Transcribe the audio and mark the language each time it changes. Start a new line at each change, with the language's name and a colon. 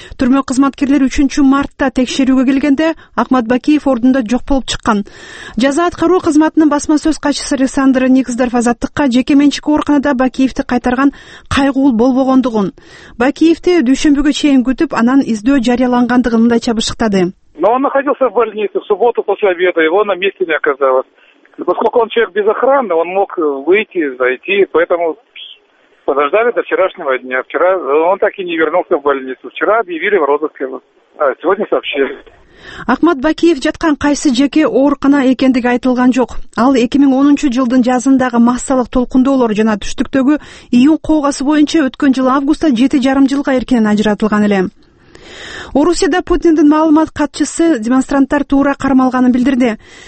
Kyrgyz: Түрмө кызматкерлери 3 мартта текшерүүгө келгенде Ахмат Бакиев ордунда жок болуп чыккан. Жаза аткаруу кызматынын басма сөз катчысы Александр Никздарф азаттыкка жеке менчик ооруканада Бакиевти кайтарган кайгуул болбогондугун, Бакиевти дүйшөмбүгө чейин күтүп, анан издөө жарыялангандыгын мындайча бышыктады.
Russian: Но он находился в больнице в субботу после обеда, его на месте не оказалось. Поскольку он человек без охраны, он мог выйти, зайти, поэтому подождали до вчерашнего дня. Вчера он так и не вернулся в больницу. Вчера объявили в розыске, а сегодня сообщили.
Kyrgyz: Ахмат Бакиев жаткан кайсы жеке ооруканада экендиги айтылган жок. Ал 2010 жылдын жазындагы массалык толкундоолор жана түштүктөгү июнь коогасы боюнча өткөн жылы августта 7.5 жылга эркинен ажыратылган эле. Орусияда Путиндин маалымат катчысы демонстранттар туура кармалганын билдирди.